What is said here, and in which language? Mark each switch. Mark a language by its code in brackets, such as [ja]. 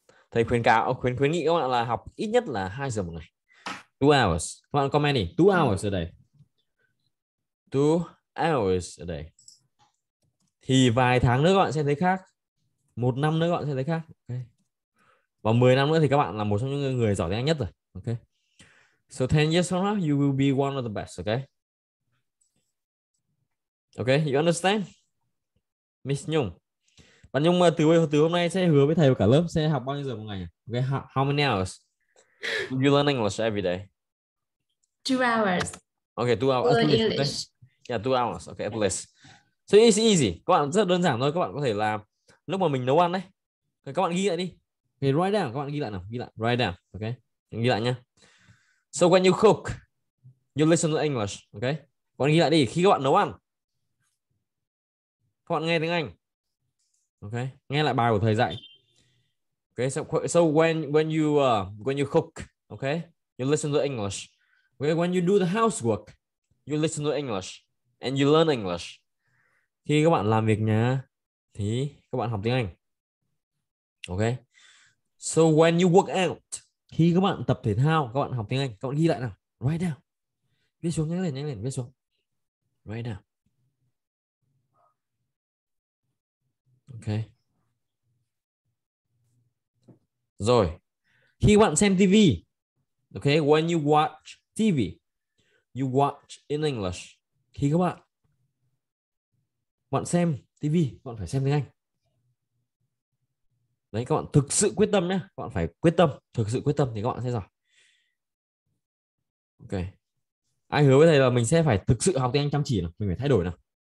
[vi] Thầy khuyến cáo khuyến nghị các bạn là học ít nhất là 2 giờ một ngày. [en] 2 hours. [vi] Các bạn comment đi. [en] 2 hours a day. 2 hours a day. [vi] Thì vài tháng nữa các bạn sẽ thấy khác. Một năm nữa các bạn sẽ thấy khác. Ok. Và 10 năm nữa thì các bạn là một trong những người giỏi tiếng Anh nhất rồi. Ok. [en] So 10 years from now you will be one of the best, okay? Okay, you understand? Miss Nhung. [vi] Bạn Nhung mà từ hôm nay sẽ hứa với thầy và cả lớp sẽ học bao nhiêu giờ một ngày? [en] Okay, how many hours? You learn English every day? 2 hours. Okay, 2 hours. Learn English. Okay. Yeah, 2 hours. Okay, at least. So it's easy. [vi] Các bạn rất đơn giản thôi. Các bạn có thể là lúc mà mình nấu ăn đấy. Các bạn ghi lại đi. Okay, [en] write down. [vi] Các bạn ghi lại nào. Ghi lại. [en] Write down. Okay. [vi] Ghi lại nhá. [en] So when you cook, you listen to English. [vi] Okay. Các bạn ghi lại đi. Khi các bạn nấu ăn, các bạn nghe tiếng Anh. Okay. Nghe lại bài của thầy dạy. Okay. [en] So when you cook, okay, you listen to English. Okay. When you do the housework, you listen to English and you learn English. [vi] Khi các bạn làm việc nhà thì các bạn học tiếng Anh. Okay. [en] So when you work out, [vi] khi các bạn tập thể thao, các bạn học tiếng Anh. Các bạn ghi lại nào. [en] Write down. [vi] Viết xuống nhanh lên, viết xuống. [en] Write down. Okay. [vi] Rồi. Khi các bạn xem TV. [en] Okay, when you watch TV, you watch in English. [vi] Khi các bạn xem TV, bạn phải xem tiếng Anh. Đấy, các bạn thực sự quyết tâm nhé. Các bạn phải quyết tâm, thực sự quyết tâm thì các bạn sẽ giỏi. Ok. Ai hứa với thầy là mình sẽ phải thực sự học tiếng Anh chăm chỉ nào. Mình phải thay đổi nào.